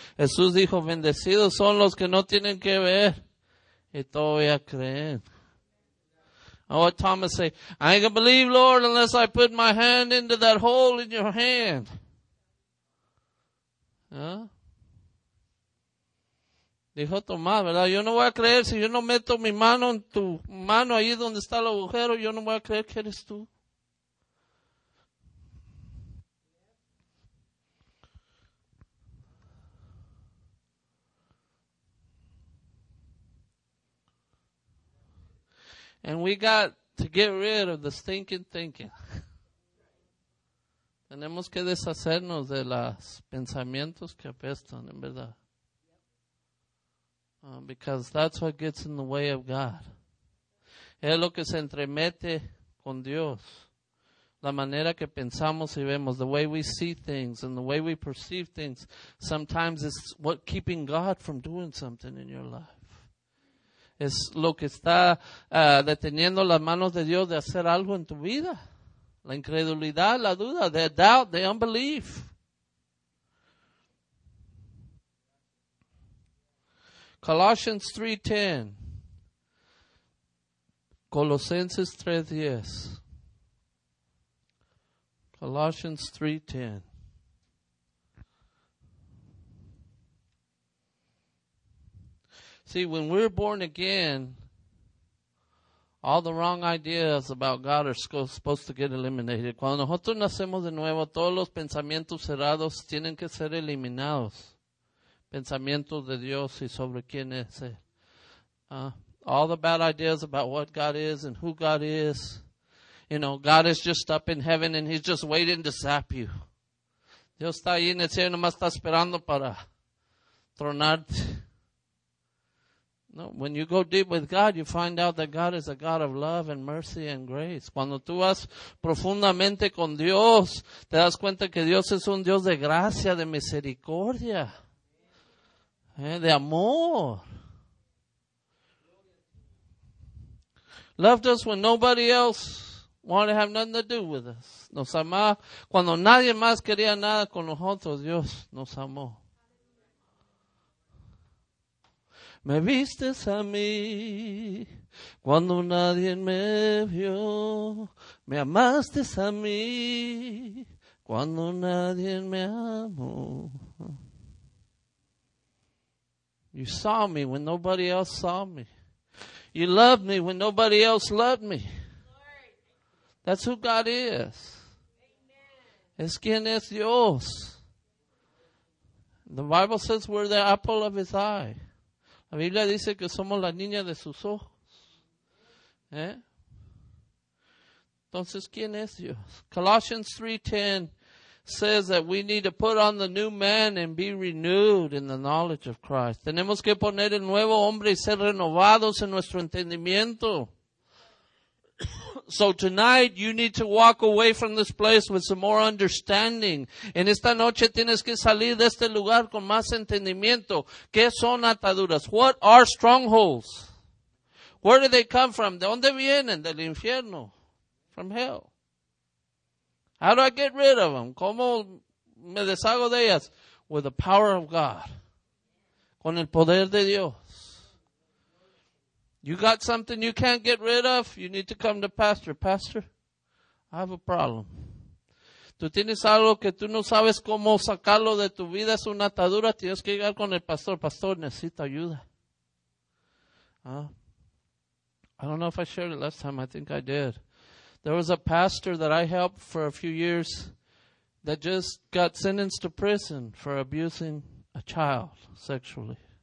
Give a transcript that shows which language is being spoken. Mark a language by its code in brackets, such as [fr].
[es] Jesús dijo, bendecidos son los que no tienen que ver. Y todavía creen. [en] And what Thomas say, I ain't gonna believe, Lord, unless I put my hand into that hole in your hand. Huh? [es] Dijo Tomás, ¿verdad? Yo no voy a creer si yo no meto mi mano en tu mano ahí donde está el agujero. Yo no voy a creer que eres tú. [en] And we got to get rid of the stinking thinking. [es] Tenemos que deshacernos de los pensamientos que apestan, en verdad. [en] Because that's what gets in the way of God. [es] Es lo que se entremete con Dios. La manera que pensamos y vemos, [en] the way we see things and the way we perceive things, sometimes it's what keeping God from doing something in your life. [es] Es lo que está deteniendo las manos de Dios de hacer algo en tu vida. La incredulidad, la duda, [en] the doubt, the unbelief. Colossians 3:10. [es] Colosenses 3:10. [en] Colossians 3:10. See, when we're born again, all the wrong ideas about God are supposed to get eliminated. [es] Cuando nosotros nacemos de nuevo, todos los pensamientos cerrados tienen que ser eliminados. Pensamientos de Dios y sobre quién es él. [en] All the bad ideas about what God is and who God is. You know, God is just up in heaven and he's just waiting to zap you. [es] Dios está ahí en el cielo, nomás está esperando para tronarte. [en] No, when you go deep with God, you find out that God is a God of love and mercy and grace. [es] Cuando tú vas profundamente con Dios, te das cuenta que Dios es un Dios de gracia, de misericordia, de amor. [en] Loved us when nobody else wanted to have nothing to do with us. [es] Nos amó cuando nadie más quería nada con nosotros. Dios nos amó. Me vistes a mí cuando nadie me vio. Me amaste a mí cuando nadie me amó. [en] You saw me when nobody else saw me. You loved me when nobody else loved me. That's who God is. [es] Es quien es Dios. [en] The Bible says we're the apple of his eye. [es] La Biblia dice que somos la niña de sus ojos. Entonces, ¿quién es Dios? [en] Colossians 3:10 says that we need to put on the new man and be renewed in the knowledge of Christ. [es] Tenemos que poner el nuevo hombre y ser renovados en nuestro entendimiento. [en] So tonight you need to walk away from this place with some more understanding. [es] En esta noche tienes que salir de este lugar con más entendimiento. ¿Qué son ataduras? [en] What are strongholds? Where do they come from? [es] ¿De dónde vienen? Del infierno. [en] From hell. How do I get rid of them? [es] ¿Cómo me deshago de ellas? [en] With the power of God. [es] Con el poder de Dios. [en] You got something you can't get rid of? You need to come to Pastor. Pastor, I have a problem. [es] Tú tienes algo que tú no sabes cómo sacarlo de tu vida, es una atadura, tienes que llegar con el pastor. Pastor, necesito ayuda. [en] I don't know if I shared it last time. I think I did. There was a pastor that I helped for a few years that just got sentenced to prison for abusing a child sexually.